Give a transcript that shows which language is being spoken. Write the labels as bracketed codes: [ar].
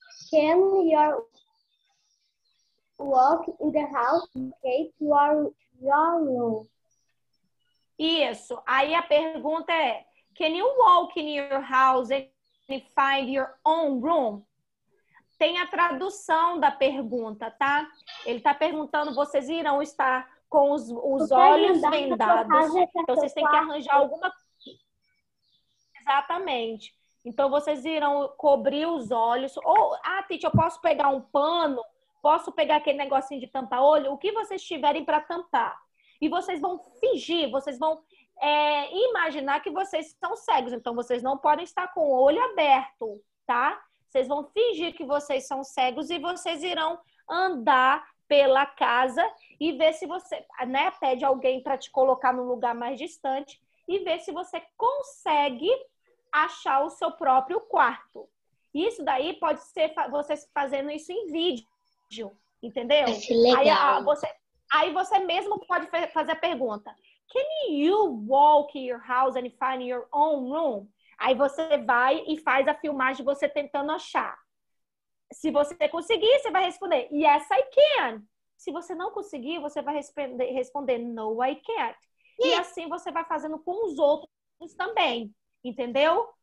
[en] Can you walk in the house to your room? [pt] Isso. Aí a pergunta é, [en] can you walk in your house and find your own room? [pt] Tem a tradução da pergunta, tá? Ele tá perguntando, vocês irão estar com os olhos vendados. Então vocês têm que arranjar alguma coisa. Exatamente. Então, vocês irão cobrir os olhos. Ou, Titi, eu posso pegar um pano? Posso pegar aquele negocinho de tampa-olho? O que vocês tiverem para tampar? E vocês vão fingir, vocês vão imaginar que vocês são cegos. Então, vocês não podem estar com o olho aberto, tá? Vocês vão fingir que vocês são cegos e vocês irão andar pela casa e ver se você, né, pede alguém para te colocar num lugar mais distante e ver se você consegue achar o seu próprio quarto. Isso daí pode ser vocês fazendo isso em vídeo, entendeu? É legal. Aí você mesmo pode fazer a pergunta. [en] Can you walk in your house and find your own room? [pt] Aí você vai e faz a filmagem você tentando achar. Se você conseguir, você vai responder, [en] yes, I can. [pt] Se você não conseguir, você vai responder, [en] no, I can't. Yes. [pt] E assim você vai fazendo com os outros também. Entendeu?